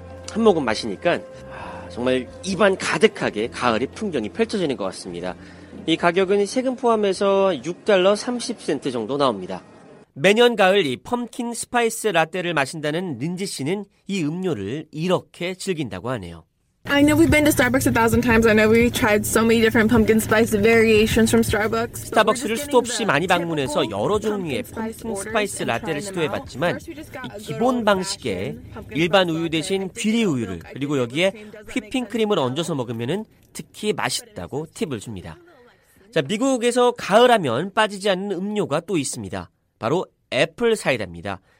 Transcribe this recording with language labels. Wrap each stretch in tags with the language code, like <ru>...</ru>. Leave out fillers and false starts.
<ko>한 모금 마시니까 정말 입안 가득하게 가을의 풍경이 펼쳐지는 것 같습니다. 이 가격은 세금 포함해서 6달러 30센트 정도 나옵니다. 매년 가을 이 펌킨 스파이스 라떼를 마신다는 린지 씨는 이 음료를 이렇게 즐긴다고 하네요.</ko> <en>I know we've been to Starbucks a thousand times. I know we've tried so many different pumpkin spice variations from Starbucks.</en> <ko>스타벅스를 수도 없이 많이 방문해서 여러 종류의 펌킨 스파이스 라떼를 시도해봤지만 이 기본 방식에 일반 우유 대신 귀리 우유를 그리고 여기에 휘핑크림을 얹어서 먹으면은 특히 맛있다고 팁을 줍니다. 자, 미국에서 가을하면 빠지지 않는 음료가 또 있습니다. 바로 애플 사이다입니다.</ko>